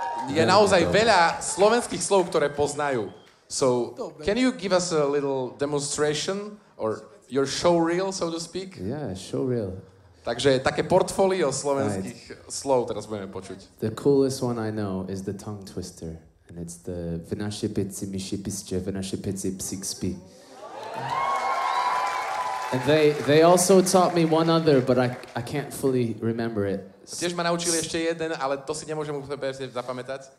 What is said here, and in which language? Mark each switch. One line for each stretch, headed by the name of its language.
Slovak: Je naozaj veľa slovenských slov, ktoré poznajú.
English: So, can you give us a little demonstration or your showreel, so to speak? Yeah, showreel.
Slovak: Takže také portfolio slovenských slov teraz budeme počuť.
English: The coolest one I know is the tongue twister. And it's the
Slovak: Vnaše peci mi šipisče, Vnaše peci psikspi.
English: And they also taught me one other, but I can't fully remember it.
Slovak: Tiež ma naučili ešte jeden, ale to si nemôžem úplne zapamätať.